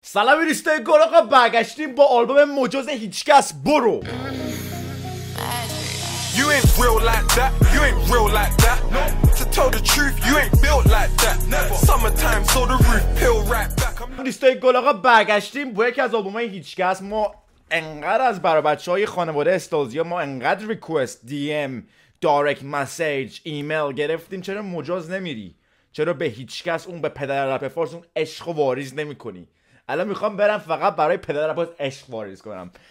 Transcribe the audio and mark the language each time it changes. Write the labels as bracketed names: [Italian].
[Persian] سلام ایرستای گل، آقا برگشتیم با آلبوم مجاز هیچکس. برو [English] You ain't real like that, you ain't real like that. To tell the truth, you ain't built like that. Summertime saw the roof peel right back. [Persian] ایرستای گل، آقا برگشتیم با یکی از آلبوم هیچکس. ما انقدر از برای بچه های خانواده استالزیا، ما انقدر [English] request D M direct message email [Persian] گرفتیم، چرا مجاز نمیری؟ چرا به هیچکس اون به پدر رپ فارس اون عشق و واریز نمی کنی؟ الان میخوام برم فقط برای پدر رپ فارس عشق واریز کنم.